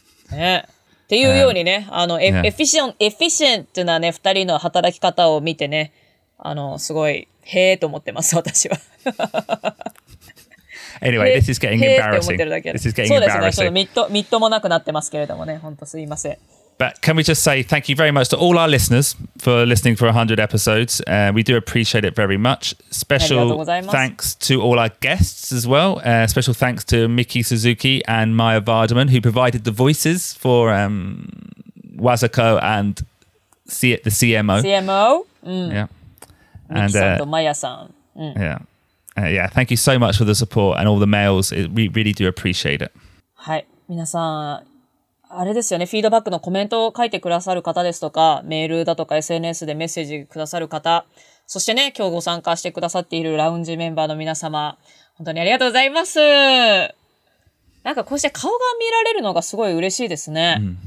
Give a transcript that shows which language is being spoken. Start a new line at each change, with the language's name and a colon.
Japanese: ね。っていうようにね、efficient なね、2人の働き方を見てね、すごい、へーと思ってます、私は。
English: Anyway, this is getting embarrassing. This is getting embarrassing.
Japanese: そうですね。ちょっとみっともなくなってますけれどもね。本当すいません。
English: But can we just say thank you very much to all our listeners for listening for 100 episodes. We do appreciate it very much. Special thanks to all our guests as well. Special thanks to Miki Suzuki and Maya Vardaman who provided the voices for Wazuko and the CMO. CMO?、 Mm. Yeah. And Miki-san とMaya-san. Yeah. Yeah, thank you so much for the support and all the mails. We really do appreciate it.
Japanese: はい、皆さん、あれですよね、フィードバックのコメントを書いてくださる方ですとか、メールだとか SNS でメッセージくださる方、そしてね、今日ご参加してくださっているラウンジメンバーの皆様、本当にありがとうございます。なんかこうして顔が見られるのがすごい嬉しいですね。